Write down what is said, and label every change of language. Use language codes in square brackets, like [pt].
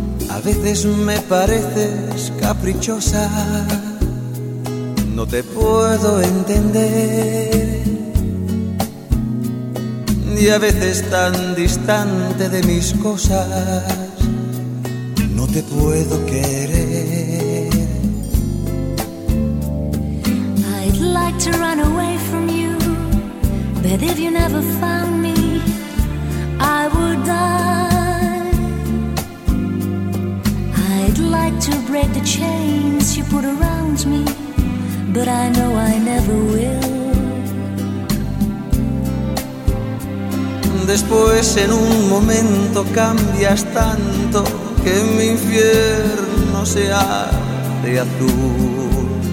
[es] A veces me pareces caprichosa. No te puedo entender. Y a veces tan distante de mis cosas, no te puedo querer. [en] I'd like to run away from you, but if you never found me, I would die. I'd like to break the chains you put around me, but I know I never will. [es] Después en un momento cambias tanto que mi infierno se hace azul.